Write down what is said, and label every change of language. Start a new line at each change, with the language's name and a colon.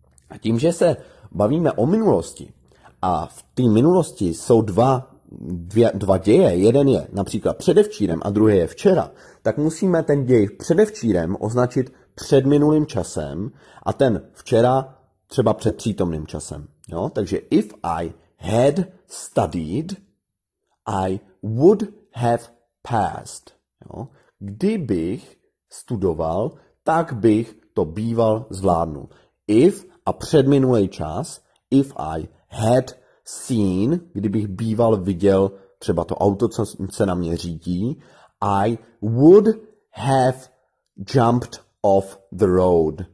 Czech: A tím, že se bavíme o minulosti, a v té minulosti jsou dva děje, jeden je například předevčírem a druhý je včera, tak musíme ten děj předevčírem označit předminulým časem a ten včera třeba před přítomným časem. Jo? Takže
English: if I had studied, I would have passed.
Czech: Jo? Kdybych studoval, tak bych to býval zvládnul. If a předminulý čas,
English: if I had seen,
Czech: kdybych býval viděl třeba to auto, co se na mě řídí,
English: I would have jumped off the road.